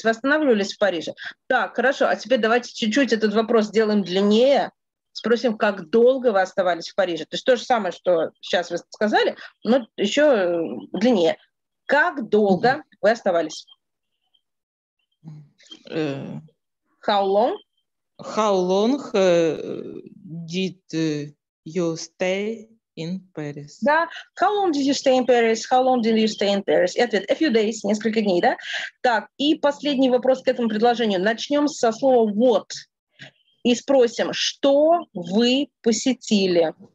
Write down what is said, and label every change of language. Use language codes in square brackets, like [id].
[ru] Вы останавливались в Париже? Так, хорошо. А теперь давайте чуть-чуть этот вопрос сделаем длиннее. Спросим, как долго вы оставались в Париже? То есть то же самое, что сейчас вы сказали, но еще длиннее. Как долго вы оставались? [en] How long? How long did you stay in Paris? Да, how long did you stay in Paris? How long did you stay in Paris? [ru] И ответ, [en] a few days, [ru] несколько дней, да? Так, и последний вопрос к этому предложению. Начнем со слова what. И спросим, что вы посетили?